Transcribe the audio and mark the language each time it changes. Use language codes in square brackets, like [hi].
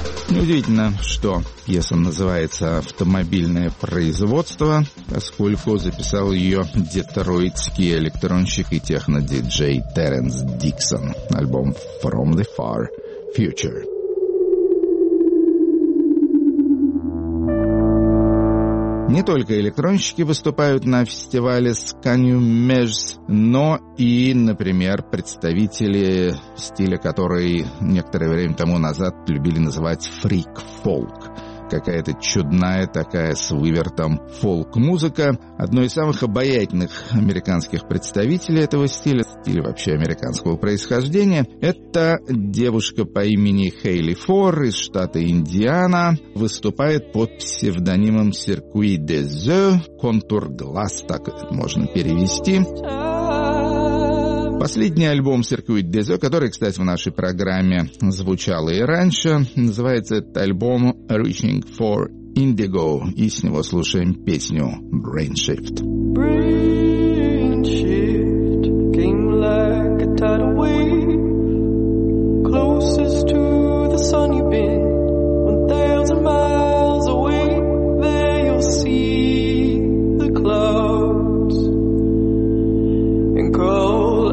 [ru] Удивительно, что пьеса называется «Автомобильное производство», поскольку записал ее детройтский электронщик и техно-диджей Терренс Диксон. Альбом «From the Far Future». Не только электронщики выступают на фестивале «Сканю меж», но и, например, представители стиля, который некоторое время тому назад любили называть «фрик-фолк». какая-то чудная такая с вывертом фолк-музыка. Одно из самых обаятельных американских представителей этого стиля, стиля вообще американского происхождения, это девушка по имени Хейли Фор из штата Индиана, выступает под псевдонимом Circuit des Yeux, «Контур глаз», так это можно перевести. Последний альбом Circuit des Yeux, который, кстати, в нашей программе звучал и раньше, называется этот альбом Reaching for Indigo, и с него слушаем песню Brain Shift. [en] Brain Shift came like a tidal wave, closest to the sun you've been, 1,000 miles away, there you'll see the clouds and call.